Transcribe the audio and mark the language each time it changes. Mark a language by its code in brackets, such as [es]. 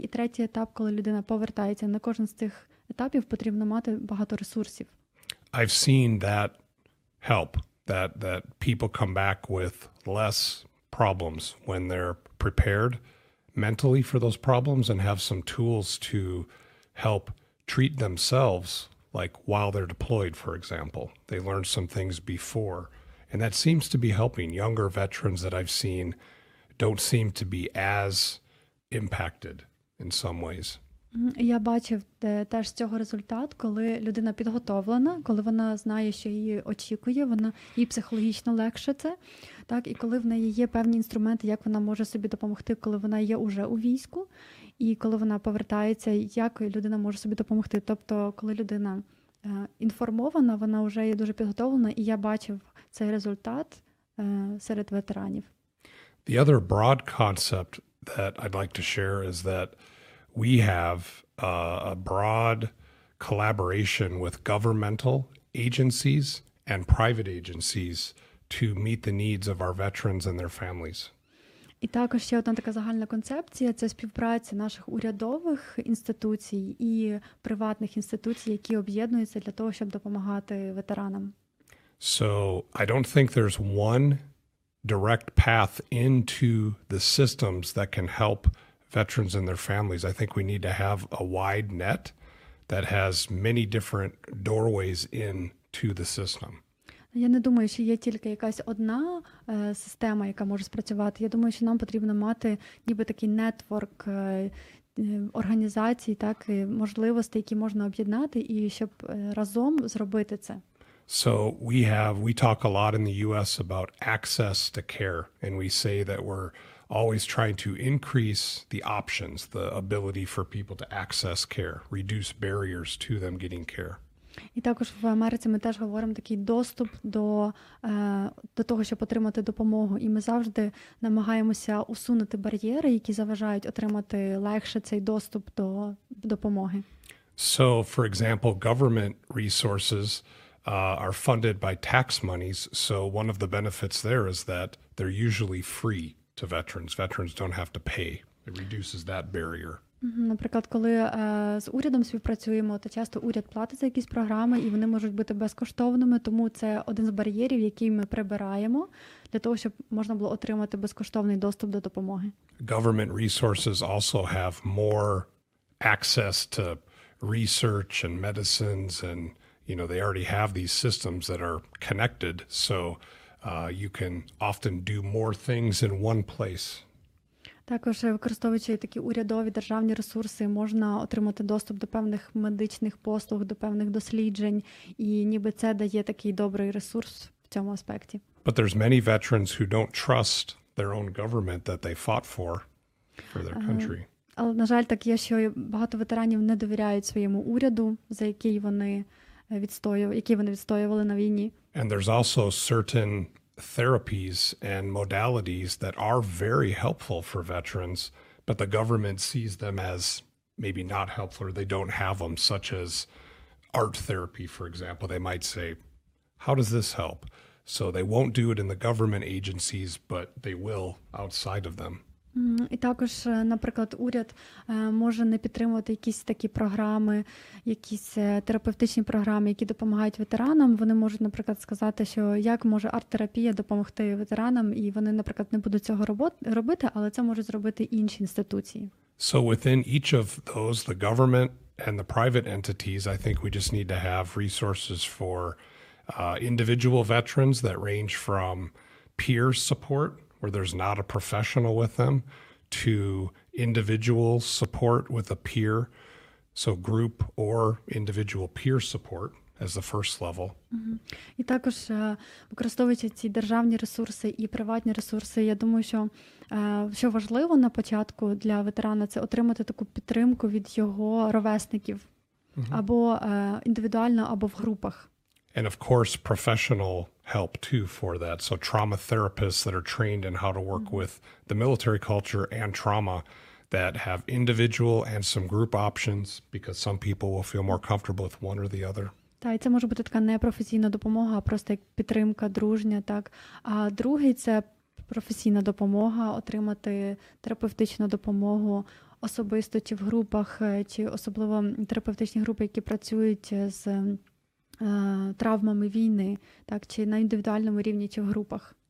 [uk] І третій етап, коли людина повертається. На кожен з цих етапів потрібно мати багато ресурсів. [en] I've seen that help, that people come back with less problems when they're prepared mentally for those problems and have some tools to help treat themselves, like while they're deployed, for example. They learned some things before. And that seems to be helping younger veterans that I've seen don't seem to be as impacted in some ways. [uk] Я бачив теж з цього результат, коли людина підготовлена, коли вона знає, що її очікує, вона їй психологічно легше це, так, і коли в неї є певні інструменти, як вона може собі допомогти, коли вона є уже у війську, і коли вона повертається, як людина може собі допомогти. Тобто, коли людина інформована, вона вже є дуже підготовлена, і я бачив цей результат серед ветеранів. [en] The other broad concept that I'd like to share is that we have a broad collaboration with governmental agencies and private agencies to meet the needs of our veterans and their families. [uk] І також ще одна така загальна концепція – це співпраця наших урядових інституцій і приватних інституцій, які об'єднуються для того, щоб допомагати ветеранам. [en] So I don't think there's one direct path into the systems that can help veterans and their families. I think we need to have a wide net that has many different doorways into the system. [uk] Я не думаю, що є тільки якась одна система, яка може спрацювати. Я думаю, що нам потрібно мати ніби такий нетворк організацій, так, можливостей, які можна об'єднати і щоб разом зробити це. [en] So we talk a lot in the US about access to care, and we say that we're always trying to increase the options, the ability for people to access care, reduce barriers to them getting care. [uk] І також в Америці ми теж говоримо такий доступ до того, щоб отримати допомогу. І ми завжди намагаємося усунути бар'єри, які заважають отримати легше цей доступ до допомоги. [en] So, for example, government resources are funded by tax monies, so one of the benefits there is that they're usually free to veterans. Veterans don't have to pay. It reduces that barrier. [uk] Наприклад, коли з урядом співпрацюємо, то часто уряд платить за якісь програми, і вони можуть бути безкоштовними, тому це один з бар'єрів, який ми прибираємо для того, щоб можна було отримати безкоштовний доступ до допомоги. [en] Government resources also have more access to research and medicines, and you know, they already have these systems that are connected, so you can often do more things in one place. [uk] Також, використовуючи такі урядові державні ресурси, можна отримати доступ до певних медичних послуг, до певних досліджень, і ніби це дає такий добрий ресурс в цьому аспекті. [en] But there's many veterans who don't trust their own government that they fought for their country. [uk] Але, на жаль, так є, що багато ветеранів не довіряють своєму уряду, за який вони відстоювали, який вони відстоювали на війні. [en] And there's also certain therapies and modalities that are very helpful for veterans, but the government sees them as maybe not helpful, or they don't have them, such as art therapy, for example. They might say, how does this help? So they won't do it in the government agencies, but they will outside of them. [uk] І також, наприклад, уряд може не підтримувати якісь такі програми, якісь терапевтичні програми, які допомагають ветеранам. Вони можуть, наприклад, сказати, що як може арт-терапія допомогти ветеранам, і вони, наприклад, не будуть цього робити, але це можуть зробити інші інституції. [en] So within each of those, the government and the private entities, I think we just need to have resources for individual veterans that range from peer support, where there's not a professional with them, to individual support with a peer, so group or individual peer support as the first level. [uk] І також, використовуючи ці державні ресурси і приватні ресурси, я думаю, що що важливо на початку для ветерана, це отримати таку підтримку від його ровесників, або індивідуально, або в групах. [en] And of course, professional help too for that. So trauma therapists that are trained in how to work with the military culture and trauma, that have individual and some group options, because some people will feel more comfortable with one or the other. [uk] Та це може бути така не професійна допомога, а просто як підтримка, дружня, так. А другий — це професійна допомога, отримати терапевтичну допомогу особисто чи в групах, чи особливо терапевтичні групи, які працюють з травмами війни, так, чи на індивідуальному рівні, чи в групах.